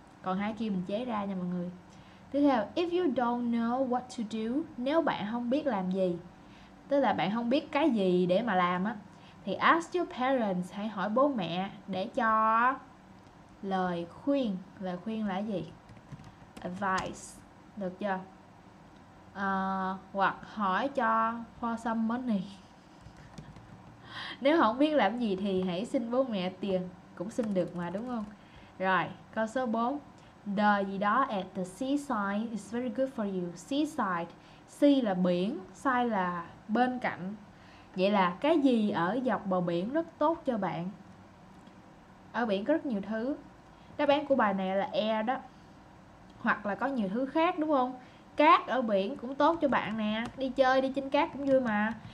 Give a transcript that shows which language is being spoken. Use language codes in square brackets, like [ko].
[vi] Còn hai kia mình chế ra nha mọi người. Tiếp theo, [en] if you don't know what to do, [vi] nếu bạn không biết làm gì, tức là bạn không biết cái gì để mà làm á, thì [en] ask your parents, [vi] hãy hỏi bố mẹ để cho lời khuyên. Lời khuyên là gì? Advice, được chưa? Hoặc hỏi cho [en] for some money. [vi] Nếu không biết làm gì thì hãy xin bố mẹ tiền. Cũng xin được mà, đúng không? Rồi, câu số 4. [en] The [vi] gì đó [en] at the seaside is very good for you. [vi] Seaside, sea là biển, side là bên cạnh. Vậy là cái gì ở dọc bờ biển rất tốt cho bạn? Ở biển có rất nhiều thứ. Đáp án của bài này là air đó. Hoặc là có nhiều thứ khác, đúng không? Cát ở biển cũng tốt cho bạn nè. Đi chơi đi trên cát cũng vui mà.